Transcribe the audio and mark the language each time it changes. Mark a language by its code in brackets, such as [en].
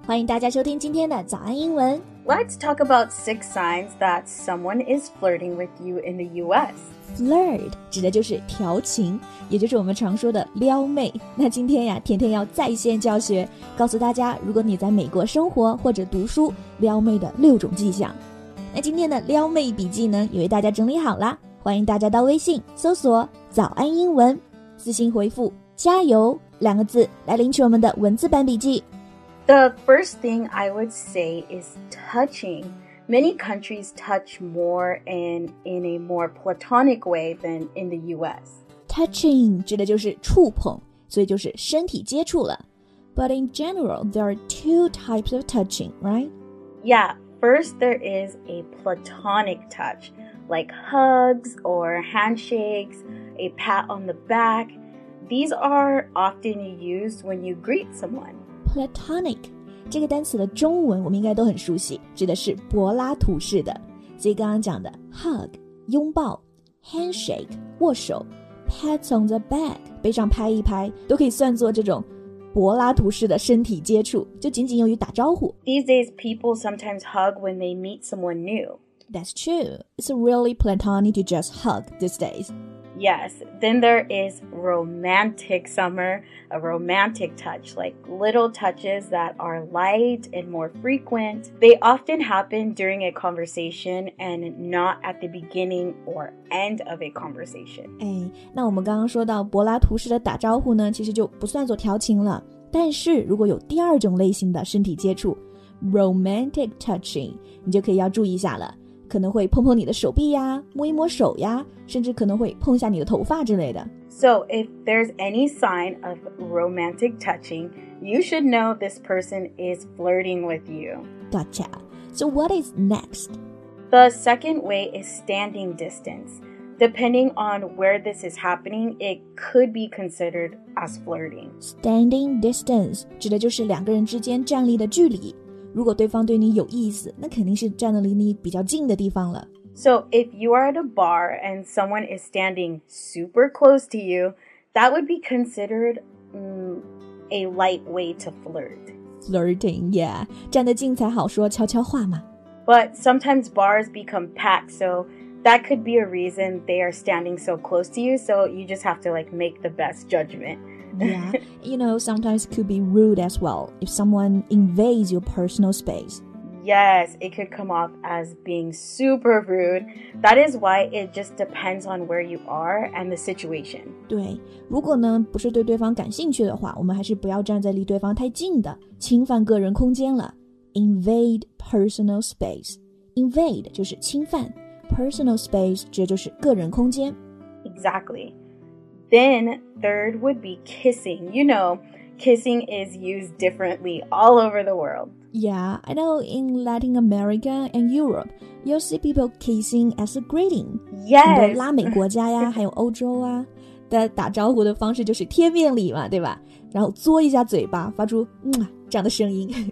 [zh] 欢迎大家收听今天的早安英文。 [en] Let's talk about 6 signs that someone is flirting with you in the U.S. [zh] Flirt 指的就是调情，也就是我们常说的撩妹。那今天呀，甜甜要在线教学，告诉大家如果你在美国生活或者读书，撩妹的6种迹象。那今天的撩妹笔记呢，也为大家整理好啦。欢迎大家到微信搜索早安英文，私信回复加油两个字来领取我们的文字版笔记。 [en] The first thing I would say is touching. Many countries touch more and in a more platonic way than in the US. [zh] Touching 指的就是触碰，所以就是身体接触了。 [en] But in general, there are 2 types of touching, right? Yeah, first there is a platonic touch, like hugs or handshakes, a pat on the back. These are often used when you greet someone. [zh] Platonic, 这个单词的中文我们应该都很熟悉，指的是柏拉图式的。所以刚刚讲的 hug, 拥抱 handshake, 握手 [en] pats on the back, [zh] 背上拍一拍，都可以算作这种柏拉图式的身体接触，就仅仅用于打招呼。 [en] These days, people sometimes hug when they meet someone new. That's true. It's really platonic to just hug these days. Yes, then there is romantic summer, a romantic touch, like little touches that are light and more frequent. They often happen during a conversation and not at the beginning or end of a conversation. [zh] 哎，那我们刚刚说到柏拉图式的打招呼呢，其实就不算作调情了。但是如果有第二种类型的身体接触 , [en] romantic touching, [zh] 你就可以要注意一下了。可能会碰碰你的手臂呀，摸一摸手呀，甚至可能会碰一下你的头发之类的。 [en] So, if there's any sign of romantic touching, you should know this person is flirting with you. Gotcha. So, what is next? The second way is standing distance. Depending on where this is happening, it could be considered as flirting. [zh] Standing distance 指的就是两个人之间站立的距离。如果对方对你有意思，那肯定是站得离你比较近的地方了。 [en] So if you are at a bar and someone is standing super close to you, that would be considered a light way to flirt. Flirting, yeah. [zh] 站得近才好说悄悄话嘛。 [en] But sometimes bars become packed, so that could be a reason they are standing so close to you, so you just have to like make the best judgment. Yeah, you know, sometimes it could be rude as well if someone invades your personal space. Yes, it could come off as being super rude. That is why it just depends on where you are and the situation. [zh] 对，如果呢不是对对方感兴趣的话，我们还是不要站在离对方太近的，侵犯个人空间了。 [en] Invade personal space. [zh] Invade 就是侵犯， personal space 指的就是个人空间。 [en] Exactly. Then, third would be kissing. You know, kissing is used differently all over the world. Yeah, I know in Latin America and Europe, you'll see people kissing as a greeting. Yes! [zh] 很多拉美国家呀，还有欧洲啊，的打招呼的方式就是贴面礼嘛，对吧？然后嘬一下嘴巴，发出这样的声音。